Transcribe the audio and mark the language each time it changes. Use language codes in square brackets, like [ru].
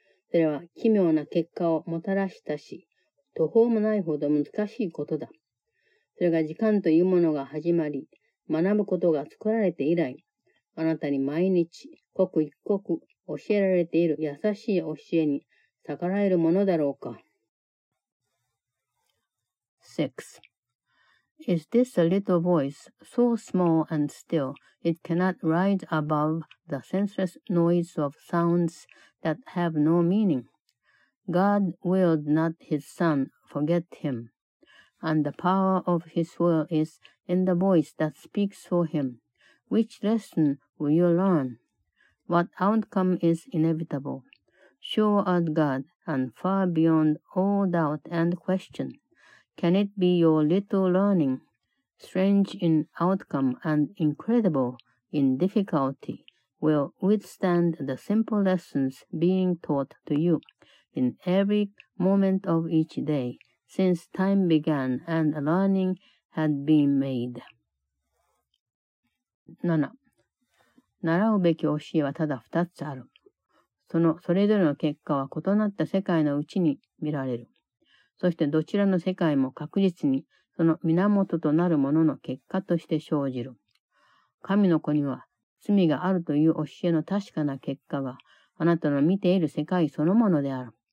[ja] それは奇妙な結果をもたらしたし、途方もないほど難しいことだ。それが時間というものが始まり、学ぶことが作られて以来、あなたに毎日、刻一刻、教えられている優しい教えに逆らえるものだろうか。 [en] 6. Is this a little voice, so small and still, it cannot rise above the senseless noise of sounds that have no meaning? God willed not his son forget him. And the power of his will is in the voice that speaks for him. Which lesson will you learn? What outcome is inevitable? Sure as God and far beyond all doubt and question. Can it be your little learning, strange in outcome and incredible in difficulty, will withstand the simple lessons being taught to you in every moment of each day? Since time began and learning had been made. [ja] 7. 習うべき教えはただ2つある。そのそれぞれの結果は異なった世界のうちに見られる。そしてどちらの世界も確実にその源となるものの結果として生じる。神の子には罪があるという教えの確かな結果があなたの見ている世界そのものである。